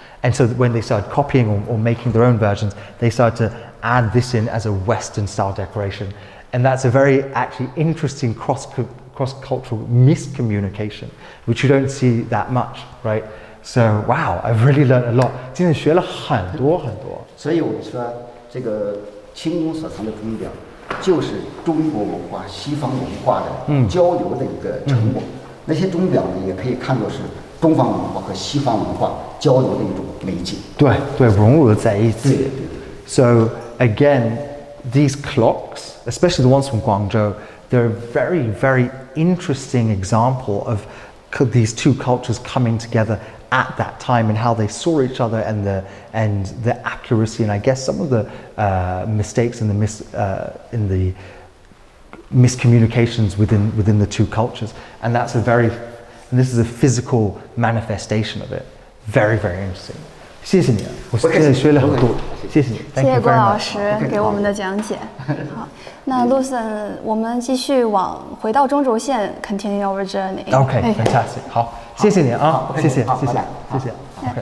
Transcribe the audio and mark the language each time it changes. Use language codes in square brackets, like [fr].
[en] And so when they started copying or making their own versions, they started to add this in as a Western style decoration. And that's a very actually interesting cross-cultural miscommunication, which you don't see that much, right? So, wow, I've really learned a lot. [zh] 今天学了很多很多。所以我们说这个清宫所藏的钟表就是中国文化西方文化的交流的一个成果，那些钟表呢也可以看作是东方文化和西方文化交流的一种媒介，对对，融入在一起。对对对。 [en] So again, these clocks, especially the ones from Guangzhou, they're a very very interesting example of these two cultures coming together at that time and how they saw each other and the accuracy and I guess some of the mistakes and the miscommunications within the two cultures. And that's this is a physical manifestation of it. Very, very interesting. [zh] 谢谢你，我今天学了很多，谢谢你。谢谢郭老师给我们的讲解。好，那 Lucen， 我们继续往回到中轴线 ， [en] continue our journey。 OK， fantastic。 [zh] 好，谢谢你啊，谢谢，谢谢，谢谢。